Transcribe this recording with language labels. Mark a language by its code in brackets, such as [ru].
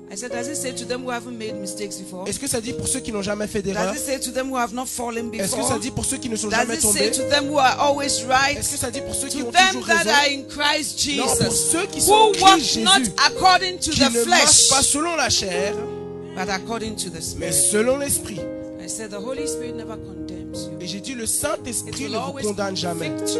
[fr] Est-ce que ça dit pour ceux qui n'ont jamais fait d'erreur? Est-ce que ça dit pour ceux qui ne sont jamais tombés? Est-ce que ça dit pour ceux qui ont toujours raison? Non, pour ceux qui sont en Christ Jésus, [en] not according to [fr] qui ne marchent pas selon la chair, [en] but according to the Spirit. [fr] Mais selon l'Esprit. [en] I said the Holy Spirit never condemns you. [fr] Et j'ai dit le Saint-Esprit ne vous condamne jamais.